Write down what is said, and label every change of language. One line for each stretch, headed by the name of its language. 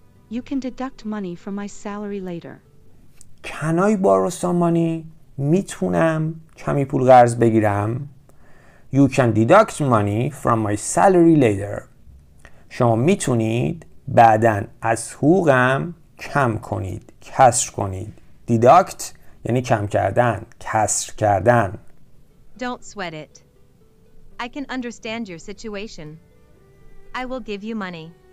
English: You can deduct money from my salary later. Can I borrow some money?
Persian: میتونم کمی پول قرض بگیرم.
English: You can deduct money from my salary later.
Persian: شما میتونید بعداً از حقوقم کم کنید. کسر کنید. Deduct یعنی کم کردن. کسر کردن.
English: Don't sweat it. I can understand your situation. I will give you money.